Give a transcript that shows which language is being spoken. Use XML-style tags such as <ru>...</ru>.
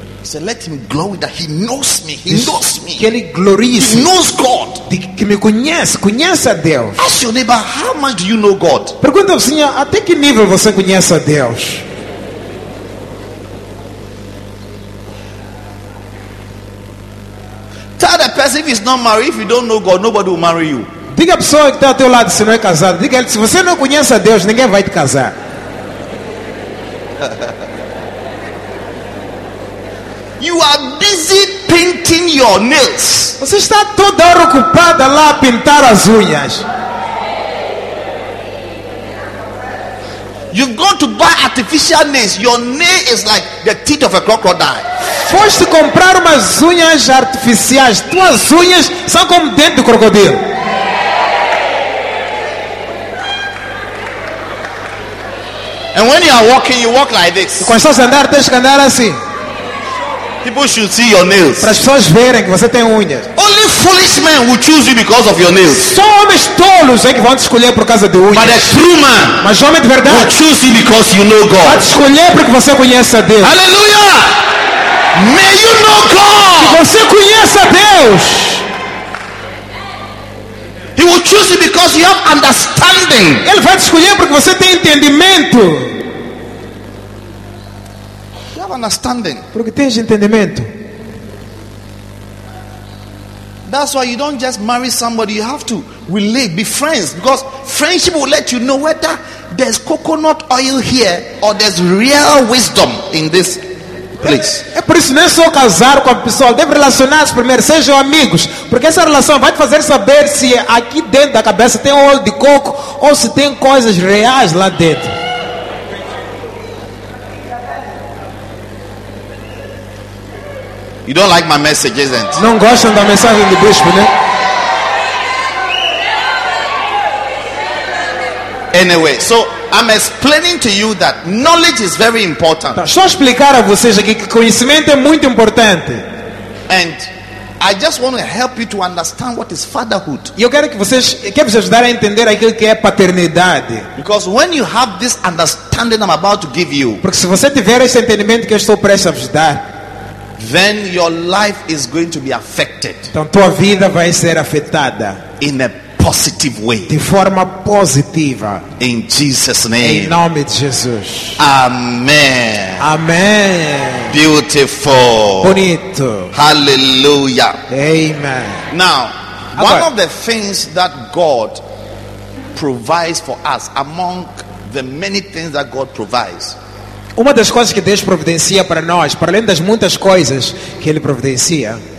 <en>He said, let him glory that he knows me. He knows me.</en> <pt>Que ele glorie.</pt> <en>He knows God.</en> <pt>Que me conhece. Conhece a Deus.</pt> <en>Ask your neighbor, how much do you know God?</en> <pt>Pergunta ao senhor, até que nível você conhece a Deus?</pt> <en>Tell the person, if he's not married, if you don't know God, nobody will marry you.</en> <pt>Diga a pessoa que está ao teu lado, se não é casado. Diga a ele, se você não conhece a Deus, ninguém vai te casar.</pt> <en>You are busy painting your nails.</en> <pt>Você está toda hora ocupada lá a pintar as unhas.</pt> <en>You've gone to buy artificial nails. Your nail is like the teeth of a crocodile.</en> <pt>Foste comprar umas unhas artificiais. Tuas unhas são como dentes do crocodilo.</pt> <en>And when you are walking, you walk like this.</en> <pt>Quando estás a andar, tens que andar assim.</pt> <en>People should see your nails.</en> <pt>Para as pessoas verem que você tem unhas.</pt> <en>Only foolish men will choose you because of your nails.</en> <pt>Só homens tolos é que vão te escolher por causa de unhas.</pt> <en>But a true man,</en> <pt>mas homem de verdade,</pt> <en>will choose you because you know God.</en> <pt>Vai te escolher porque você conhece a Deus.</pt> <en>Aleluia! May you know God.</en> <pt>Que você conheça Deus.</pt> <en>He will choose you because you have understanding.</en> <pt>Ele vai te escolher porque você tem entendimento.</pt> <en>Understanding.</en> <pt>Porque tens entendimento.</pt> <en>That's why you don't just marry somebody. You have to relate, be friends, because friendship will let you know whether there's coconut oil here or there's real wisdom in this place.</en> <pt>É por isso não é só casar com a pessoa, deve relacionar-se primeiro, sejam amigos, porque essa relação vai te fazer saber se aqui dentro da cabeça tem óleo de coco ou se tem coisas reais lá dentro.</pt> <en>You don't like my message, isn't</en> <pt>it? Não gostam da mensagem do bispo, né?</pt> <en>Anyway, so I'm explaining to you that knowledge is very important.</en> <pt>Só explicar a vocês aqui que conhecimento é muito importante.</pt> <en>And I just want to help you to understand what is fatherhood.</en> <pt>Eu quero que vocês, ajudar a entender aquilo que é paternidade.</pt> <en>Because when you have this understanding I'm about to give you.</en> <pt>Porque se você tiver esse entendimento que eu estou prestes a vos dar,</pt> <en>then your life is going to be affected.</en> <pt>Então tua vida vai ser afetada</pt> <en>in a positive way.</en> <pt>De forma positiva.</pt> <en>In Jesus' name.</en> <pt>Em nome de Jesus.</pt> <en>Amen. Amen. Beautiful.</en> <pt>Bonito.</pt> <en>Hallelujah. Amen. Now, one of the things that God provides for us, among the many things that God provides.</en> <pt>Uma das coisas que Deus providencia para nós, para além das muitas coisas que Ele providencia,</pt>